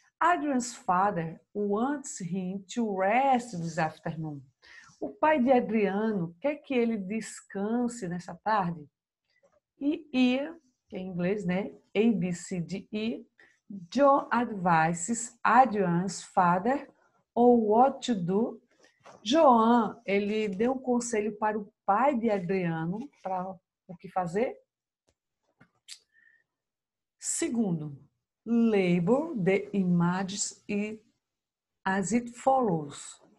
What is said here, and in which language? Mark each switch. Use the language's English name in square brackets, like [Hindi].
[English] Adrian's father wants him to rest this afternoon. [Portuguese] O pai de Adriano quer que ele descanse nessa tarde. E ia, que é em inglês, né? A, B, C, D, E. [English] John advises Adrian's father on what to do. [Portuguese] Joan, ele deu um conselho para o pai de Adriano para o que fazer. [English] Segundo, label the images as it follows.